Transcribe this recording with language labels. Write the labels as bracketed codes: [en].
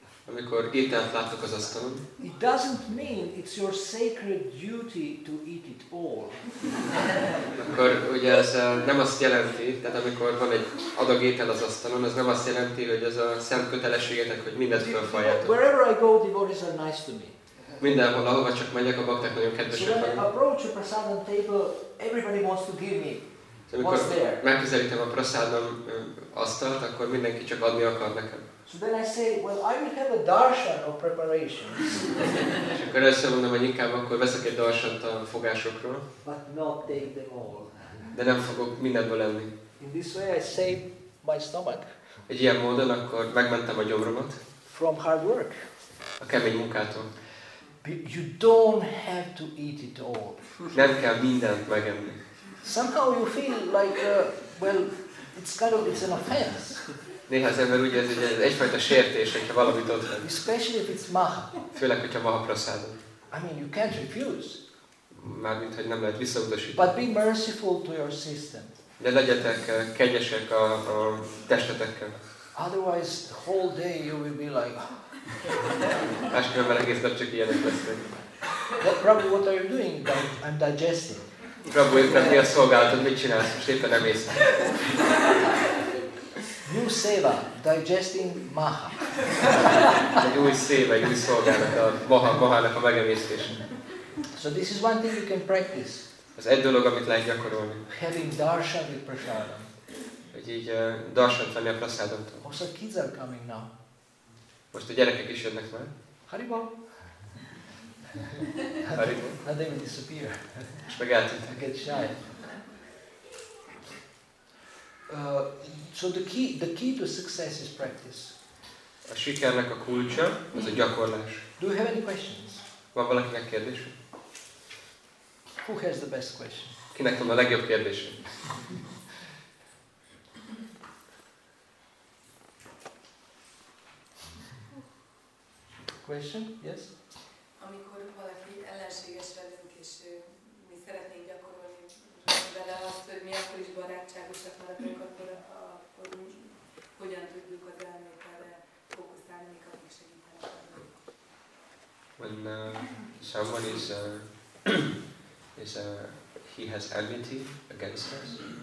[hu] amikor ételt látok az asztalon. [en] It doesn't mean it's your sacred duty to eat it all. [hu] Akkor ugye ez nem azt jelenti, tehát amikor van egy adag étel az asztalon, az nem azt jelenti, hogy ez a szent kötelességetek, hogy mindent fölfaljátok. [en] Wherever I go, devotees are nice to me. [hu] Mindenhol, ahova csak megyek, a bakták nagyon kedvesek. [en] So when I approach a prasadam table, everybody wants to give me. [hu] So amikor megközelítem a prasadam asztalt, akkor mindenki csak adni akar nekem. [en] So then I say, well, I will have a darshan of preparation. [hu] És akkor először mondom, hogy inkább akkor veszek egy darshant a fogásokról. [en] But not take them all. [hu] De nem fogok mindenből enni. [en] In this way I save my stomach. [hu] Egy ilyen módon akkor megmentem a gyomromat. [en] From hard work. [hu] A kemény munkától. [en] You don't have to eat it all. [hu] Nem kell mindent megenni. [en] Somehow you feel like, well, it's kind of, it's an offense. [hu] Néha az ember úgy érzi, hogy ez egyfajta sértés, hogyha valamit ott lenni. [en] Especially if it's maha. [hu] Főleg, hogyha maha prasádod. [en] I mean, you can't refuse. [hu] Mármint, hogy nem lehet visszautasítani. [en] But be merciful to your system. [hu] De legyetek kegyesek a testetekkel. [en] Otherwise, the whole day you will be like, [hu] máskülönben egész nap csak ilyenek lesznek. [en] Well, probably what are you doing? I'm digesting. [hu] Prabhu, mi a szolgálatod? Mit csinálsz? Most éppen nem észre. [en] New seva, digesting maha. [hu] Egy új seva, egy új szolgálat a mahának a megemésztése. [en] So this is one thing you can practice. [hu] Ez egy dolog, amit lehet gyakorolni. [en] Having darshan with prasadam. [hu] Hogy így darshan tenni a prasadamtól. [en] Also kids are coming now. [hu] Most a gyerekek is jönnek már. [sa] Haribol. Haribol. [en] And they will disappear. [hu] Most meg eltűntek. [en] I get shy. So the key to success is practice. [hu] A sikernek a kulcsa, az a gyakorlás. [en] Do you have any questions? [hu] Van valakinek kérdése? [en] Who has the best question? [hu] Kinek van a legjobb kérdése? [en] Question? Yes. [hu] Amikor valaki ellenséges velünk, és mi szeretnénk gyakorolni vele azt, hogy mi akkor is barátságosak maradunk, akkor hogyan tudjuk az elmékkelre fókuszálni, mik akik segítenek. [en] When someone is he has enmity against us.